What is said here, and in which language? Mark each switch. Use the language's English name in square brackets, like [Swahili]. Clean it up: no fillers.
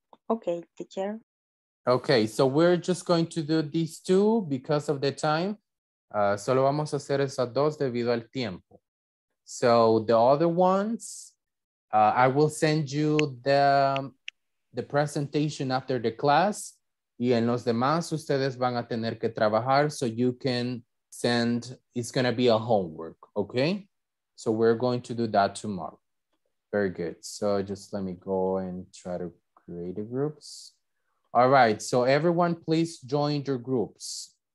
[English] Okay, teacher. Okay, so we're just going to do these two because of the time. [Spanish] Solo vamos a hacer esas dos debido al tiempo. [English] So the other ones, I will send you the presentation after the class. [Spanish] Y en los demás, ustedes van a tener que trabajar. [English] So you can send, it's going to be a homework, okay? So we're going to do that tomorrow. Very good. So just let me go and try to create a groups. All right. So everyone, please join your groups.